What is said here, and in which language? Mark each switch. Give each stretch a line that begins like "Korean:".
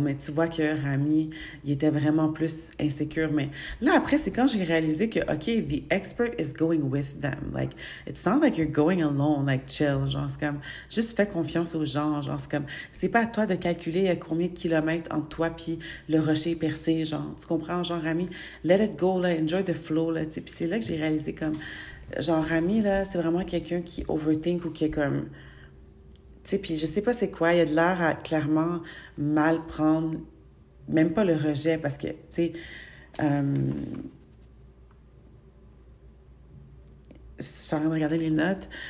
French: Mais tu vois que Rami, il était vraiment plus insécure. Mais là, après, c'est quand j'ai réalisé que, OK,
English: the expert is going with them. Like, it's not like you're going alone, like, chill.
French: Genre, c'est comme, juste fais confiance aux gens. Genre, c'est comme, c'est pas à toi de calculer à combien de kilomètres entre toi puis le rocher percé. Genre, tu comprends? Genre, Rami,
English: let it go,
French: là,
English: enjoy the flow,
French: là. T'sais. Puis c'est là que j'ai réalisé, comme, genre, Rami, là, c'est vraiment quelqu'un qui overthink ou qui est comme, t'sais, puis je sais pas c'est quoi, il y a de l'air à clairement mal prendre, même pas le rejet, parce que, tu sais, je suis en train de regarder les notes.